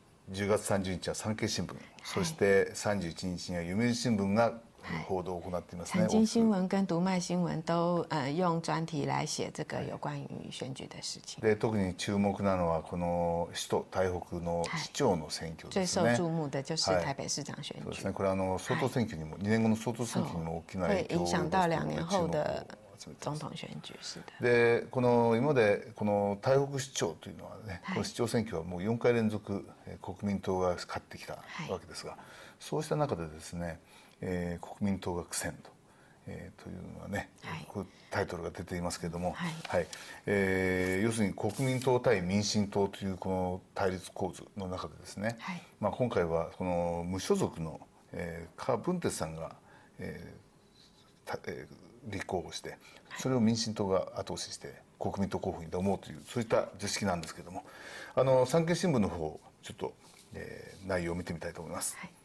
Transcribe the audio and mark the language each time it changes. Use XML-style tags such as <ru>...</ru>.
<ja>10月30日は産経新聞、そして31日には読売新聞が報道を行っていますね。</ja> <zh>産経新聞と読売新聞都用专题来写这个有关于选举的事情。</zh> <ja>で特に注目なのはこの首都台北の市長の選挙ですね。</ja> <zh>最受注目的就是台北市长选举。</zh> <ja>そうですね。これ総統選挙にも2年後の総統選挙にも大きな影響を及ぼすので注目。</ja> <zh>影響到2年後的总统选举是的。</zh> <ja>でこの今までこの台北市長というのはね、この市長選挙はもう4回連続国民党が勝ってきたわけですが、そうした中でですね。国民党が苦戦と、というのはね、タイトルが出ていますけれども、要するに国民党対民進党というこの対立構図の中でですね、まあ、今回はこの無所属の、柯文哲さんが、立候補して、それを民進党が後押しして国民党候補に挑もうという、そういった図式なんですけれども、産経新聞の方ちょっと、内容を見てみたいと思います。</ja>